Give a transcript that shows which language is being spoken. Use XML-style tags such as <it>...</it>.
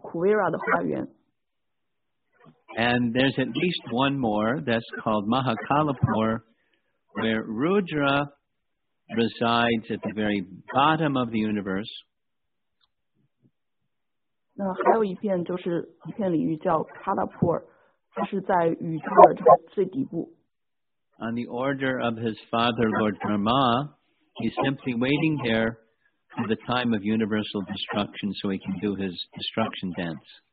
<zh>印度教比较熟悉的人，他们知道这个主希瓦的这片居所叫凯拉什，它是一个天堂般的花园，是主库维拉的花园。</zh> <en>And there's at least one more that's called Mahakalapur, where Rudra resides at the very bottom of the universe.</en> <zh>那还有一片就是一片领域叫卡拉普尔，它是在宇宙的这个最底部。</zh> <en>On the order of his father, Lord Brahma, he's simply waiting there for the time of universal destruction so he can do his destruction dance.</en>